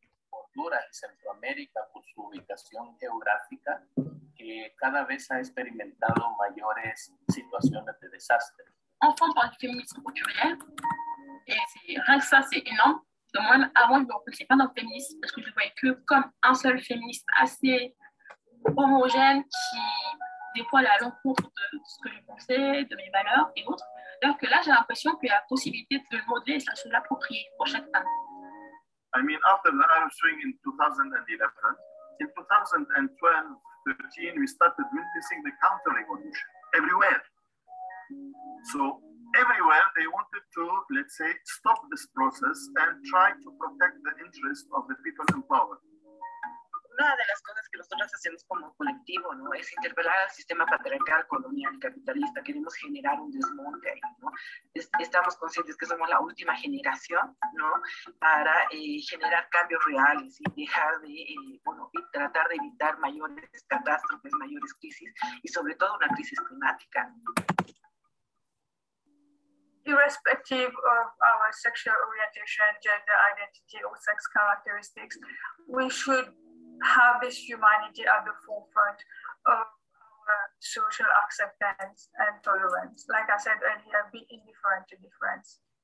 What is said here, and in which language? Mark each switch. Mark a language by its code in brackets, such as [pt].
[es] Cultura en Centroamérica por su ubicación geográfica que cada vez ha experimentado mayores situaciones de desastre. [fr] Enfin, pour le féminisme culturel, et c'est rien que ça, c'est énorme. Donc moi, avant, je ne connaissais pas dans le féminisme parce que je ne voyais que comme un seul féministe assez homogène qui des fois à l'encontre de ce que je pensais, de mes valeurs et autres. Alors que là, j'ai l'impression qu'il y a la possibilité de le modeler et de se l'approprier pour chaque femme. [en] I mean, after the Arab Spring in 2011, in 2012-13, we started witnessing the counter-revolution everywhere. So everywhere, they wanted to, let's say, stop this process and try to protect the interests of the people in power. [es] Una de las cosas que nosotros hacemos como colectivo, ¿no? Es interpelar al sistema patriarcal, colonial, capitalista. Queremos generar un desmonte ahí, ¿no? Estamos conscientes que somos la última generación, ¿no? Para generar cambios reales y dejar de, bueno, y tratar de evitar mayores catástrofes, mayores crisis y sobre todo una crisis climática. [en] Irrespective of our sexual orientation, gender identity or sex characteristics, we should have this humanity at the forefront of our social acceptance and tolerance. Like I said earlier, be indifferent to difference.